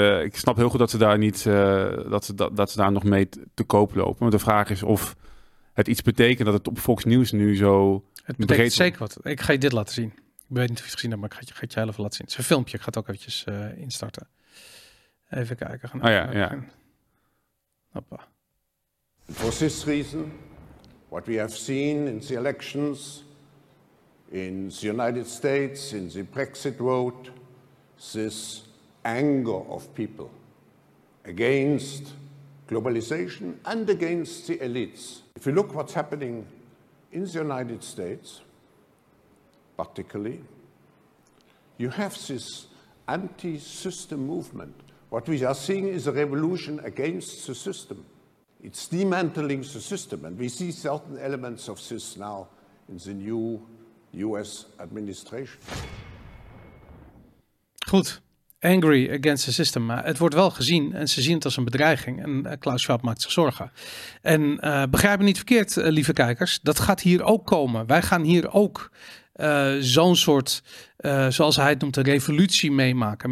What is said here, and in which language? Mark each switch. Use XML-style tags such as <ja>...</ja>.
<nl>Ik snap heel goed dat ze daar niet ze daar nog mee te koop lopen. Maar de vraag is of het iets betekent dat het op Fox News nu zo... Het betekent zeker wat. Ik ga je dit laten zien. Ik weet niet of je het gezien hebt, maar ik ga het je heel even laten zien. Het is een filmpje. Ik ga het ook eventjes instarten. Even kijken. Hoppa.</nl> <en>For this reason, what we have seen in the elections, in the United States, in the Brexit vote, this anger of people against globalization and against the elites. If you look what's happening in the United States, particularly, you have this anti-system movement. What we are seeing is a revolution against the system. It's dismantling the system, and we see certain elements of this now in the new US administration.</en> <nl>Goed,</nl> <en>angry against the system.</en> <nl>Maar het wordt wel gezien en ze zien het als een bedreiging. En Klaus Schwab maakt zich zorgen. En begrijp me niet verkeerd, lieve kijkers. Dat gaat hier ook komen. Wij gaan hier ook zo'n soort, zoals hij het noemt, een revolutie meemaken.</nl>